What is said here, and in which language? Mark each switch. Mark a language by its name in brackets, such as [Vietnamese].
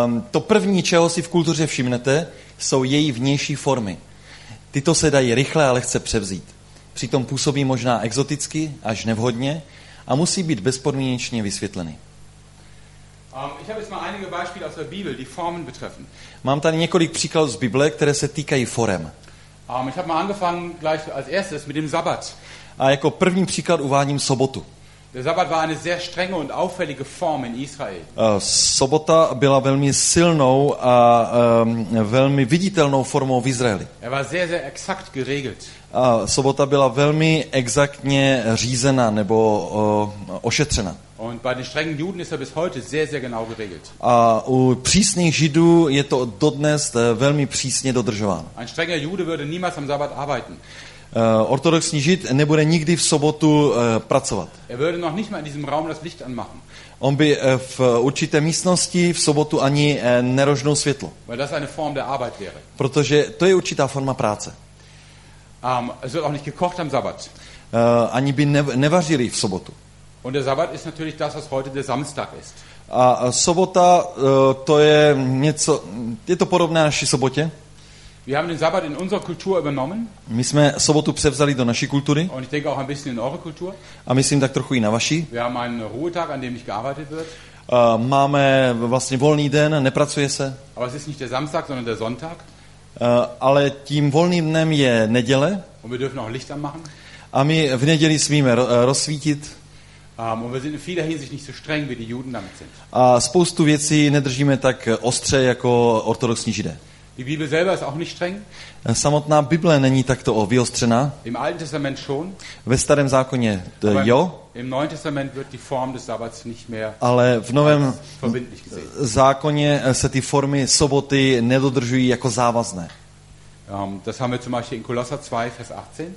[Czech] To první, čeho si v kultuře všimnete, jsou její vnější formy. Tyto se dají rychle a lehce převzít. Přitom působí možná exoticky až nevhodně a musí být bezpodmínečně vysvětleny. [German] Ich habe jetzt mal einige Beispiele aus der Bibel, die Formen betreffen. [Czech] Mám tady několik příkladů z Bible, které se týkají forem. [German] Ich habe mal angefangen gleich als erstes mit dem Sabbat. [Czech] A jako první příklad uvádím sobotu. [German] Der Sabbat war eine sehr strenge und auffällige Form in Israel. [Czech] Sobota byla velmi silnou a velmi viditelnou formou v Izraeli. [German] Er war sehr, sehr exakt geregelt. [Czech] Sobota byla velmi exaktně řízena nebo ošetřena. [German] Und bei den strengen Juden ist er bis heute sehr, sehr genau geregelt. [Czech] A u přísných Židů je to dodnes velmi přísně dodržováno. [German] Ein strenger Jude würde niemals am Sabbat arbeiten. [Czech] Ortodoxní Žid nebude nikdy v sobotu pracovat. [German] Er würde noch nicht mal in diesem Raum das Licht anmachen. [Czech] On by v určité místnosti v sobotu ani nerožnou světlo. [German] Weil das eine Form der Arbeit wäre. [Czech] Protože to je určitá forma práce. [German] Es wird auch nicht gekocht am Sabbat. [Czech] Ani by nevařili v sobotu. [German] Und der Sabbat ist natürlich das, was heute der Samstag ist. [Czech] A sobota, to je něco, je to podobné naší sobotě. [German] Wir haben den Sabbat in unserer Kultur übernommen. [Czech] My jsme sobotu převzali do naší kultury. [German] Und ich denke auch ein bisschen in eure Kultur. [Czech] A myslím tak trochu i na vaši. [German] Wir haben einen Ruhetag, an dem nicht gearbeitet wird. [Czech] Máme vlastně volný den, nepracuje se. [German] Aber es ist nicht der Samstag, sondern der Sonntag. [Czech] Ale tím volným dnem je neděle. [German] Und wir dürfen auch Licht anmachen. [Czech] A my v neděli smíme rozsvítit. [German] Und wir sind in vieler Hinsicht nicht so streng, wie die Juden damit sind. [Czech] A spoustu věcí nedržíme tak ostře jako ortodoxní Židé. [German] Die Bibel selber ist auch nicht streng. [Czech] Samotná Bible není takto vyostřená. [German] Im Alten Testament schon. [Czech] Ve Starém zákoně jo. [German] Im Neuen Testament wird die Form des Sabbats nicht mehr. [Czech] Ale v Novém zákoně se ty formy soboty nedodržují jako závazné. [German] Das haben wir zum Beispiel in Kolosser 2, Vers 18.